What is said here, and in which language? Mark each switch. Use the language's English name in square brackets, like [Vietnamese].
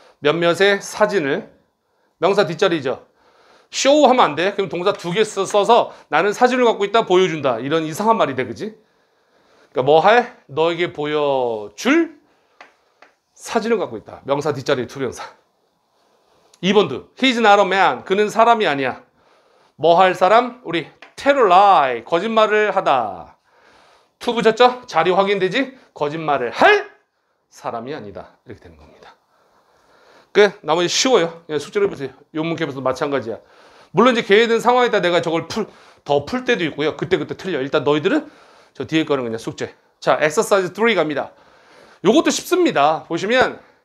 [Korean] 몇몇의 사진을. 명사 뒷자리죠. show 하면 안 돼. 그럼 동사 두 개 써서 나는 사진을 갖고 있다, 보여준다. 이런 이상한 말이 돼, 그지? 그러니까 뭐 할? 너에게 보여줄 사진을 갖고 있다. 명사 뒷자리 두 명사. [English] 2번도 he's not a man. [Korean] 그는 사람이 아니야. 뭐 할 사람? 우리 [English] tell a lie. [Korean] 거짓말을 하다. 투 붙였죠? 자리 확인되지? 거짓말을 할 사람이 아니다. 이렇게 되는 겁니다. 끝. 나머지 쉬워요. 그냥 숙제를 해보세요. 요 문캡에서도 마찬가지야. 물론 이제 계획된 상황에 따라 내가 저걸 더 풀 때도 있고요. 그때 틀려. 일단 너희들은 저 뒤에 거는 그냥 숙제. 자, 엑서사이즈 3 갑니다. 요것도 쉽습니다. 보시면.